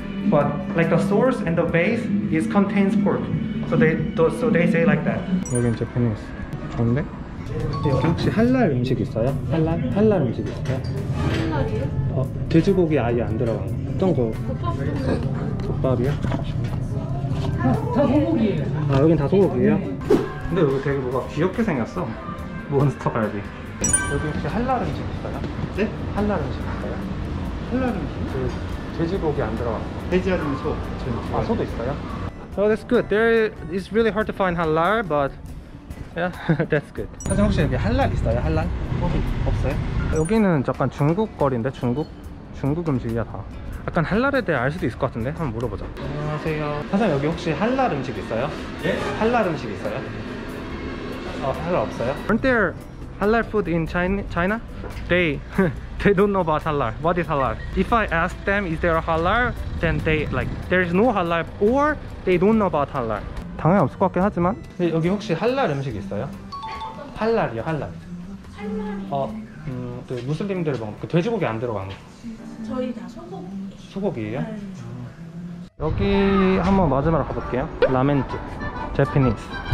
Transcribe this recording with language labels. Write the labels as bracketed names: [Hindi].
[English] But like the source and the base is contains pork. So they say like that. [Korean] 여긴 Japanese. 좋은데? 여기 혹시 할랄 음식 있어요? 할랄? 할랄 음식 있어요? 할랄이요? 돼지고기 아예 안 들어가. 어떤 거? 국밥이요? 다 소고기예요. 아, 여긴 다 소고기예요? 근데 여기 되게 뭐가 귀엽게 생겼어. 몬스터 갈비. 여기 혹시 할랄 음식 있어요? 네? 할랄 음식 있어요? 할랄 음식? 돼지고기 안 들어가. 돼지알은 소. 아, 소도 있어요? [English] So that's good. There is really hard to find halal, but yeah, that's good. [Korean] 사장님 혹시 여기 할랄 있어요? 할랄? 없어요. 여기는 약간 중국 거리인데 중국 음식이야 다. 약간 할랄에 대해 알 수도 있을 것 같은데 한번 물어보자. 안녕하세요. 사장님 여기 혹시 할랄 음식 있어요? 예? 할랄 음식 있어요? 할랄 없어요? [English] Aren't there halal food in China? They don't know about halal. What is halal? If I ask them, is there a halal? Then they like, there is no halal or they don't know about halal. [Korean] 당연히 없을 것 같긴 하지만 네, 여기 혹시 할랄 음식 있어요? 할랄이요, 할랄. 할랄이요. 네, 무슬림들 먹는 그 돼지고기 안 들어가는 거. 저희 다 소고기. 소고기예요? 네. 여기 한번 마지막으로 가볼게요. 라멘집, Japanese.